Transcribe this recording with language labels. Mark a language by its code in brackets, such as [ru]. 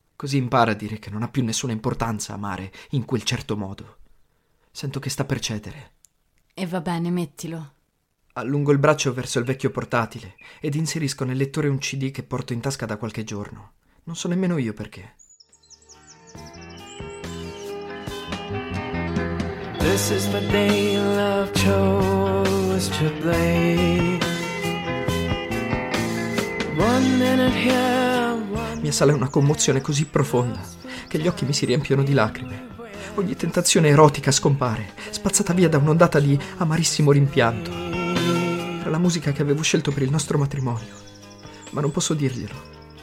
[it] Così impara a dire che non ha più nessuna importanza amare in quel certo modo. Sento che sta per cedere. E va bene, mettilo. Allungo il braccio verso il vecchio portatile ed inserisco nel lettore un CD che porto in tasca da qualche giorno. Non so nemmeno io perché. [en] This is the day love chose to play. One minute here. [it] Mi assale una commozione così profonda che gli occhi mi si riempiono di lacrime. Ogni tentazione erotica scompare, spazzata via da un'ondata di amarissimo rimpianto. Era la musica che avevo scelto per il nostro matrimonio, ma non posso dirglielo.